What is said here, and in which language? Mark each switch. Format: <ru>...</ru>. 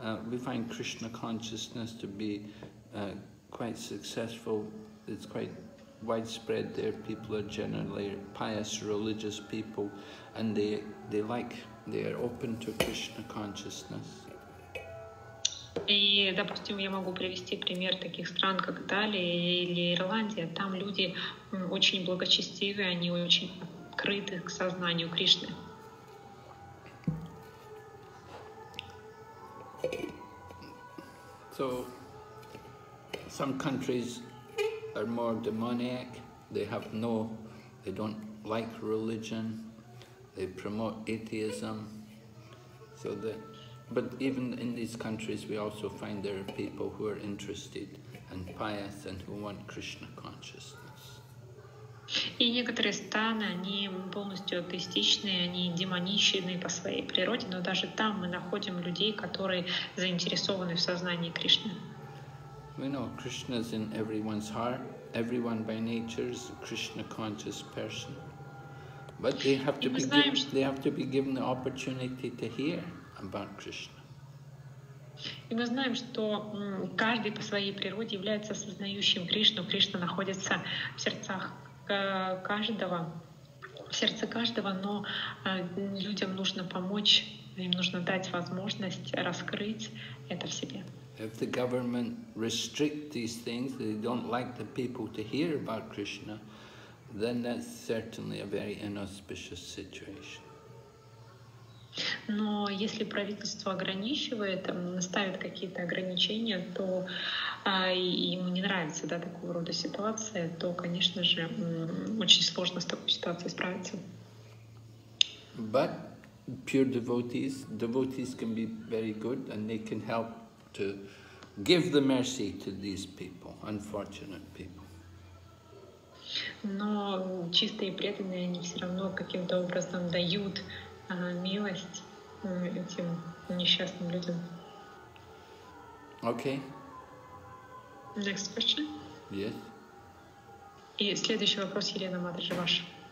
<en>We find Krishna consciousness to be quite successful. It's quite widespread there. People are generally pious, religious people, and they are open to Krishna consciousness.</en> <ru>И, допустим, я могу привести пример таких стран, как Италия или Ирландия. Там люди очень благочестивые, они очень открыты к сознанию Кришны.</ru> <en>So, some countries are more demoniac. They don't like religion. They promote atheism. But even in these countries, we also find there are people who are interested and pious and who want Krishna consciousness.</en> <ru>И некоторые страны, они полностью атеистичные, они демоничные по своей природе, но даже там мы находим людей, которые заинтересованы в сознании Кришны.</ru> <en>We know Krishna is in everyone's heart. Everyone by nature is a Krishna conscious person. But they have to be given the opportunity to hear about Krishna.</en> <ru>И мы знаем, что каждый по своей природе является сознающим Кришну. Кришна находится в сердцах каждого, в сердце каждого, но людям нужно помочь, им нужно дать возможность раскрыть это в себе.</ru> <en>If the government restrict these things, they don't like the people to hear about Krishna, then that's certainly a very inauspicious situation.</en> <ru>Но если правительство ограничивает, ставит какие-то ограничения, то ему не нравится, да, такого рода ситуация, то, конечно же, очень сложно с такой ситуацией справиться.</ru> <en>But pure devotees can be very good, and they can help to give the mercy to these people, unfortunate people.</en> <ru>Но чистые преданные, они все равно каким-то образом дают милость этим несчастным людям.</ru> <en>Okay. Next question. Yes.</en> <ru>И следующий вопрос, Елена Матрич, ваш.</ru>